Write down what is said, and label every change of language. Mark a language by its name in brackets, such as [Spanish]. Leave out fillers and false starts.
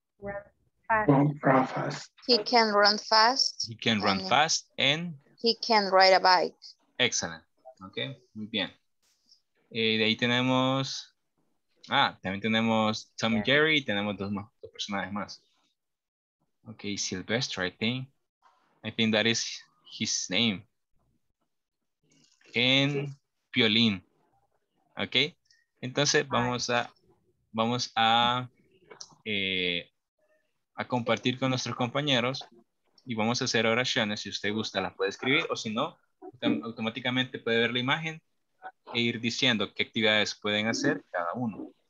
[English] Run fast. He can run fast. He can run fast and he can ride a bike. Excellent. Okay, [Spanish] muy bien. De ahí tenemos, también tenemos Tom y Jerry, y tenemos dos personajes más. [English] Okay, Sylvester, I think that is his name. And Piolín. [Spanish] Okay, entonces vamos a compartir con nuestros compañeros y vamos a hacer oraciones. Si usted gusta, la puede escribir o si no, automáticamente puede ver la imagen e ir diciendo qué actividades pueden hacer cada uno.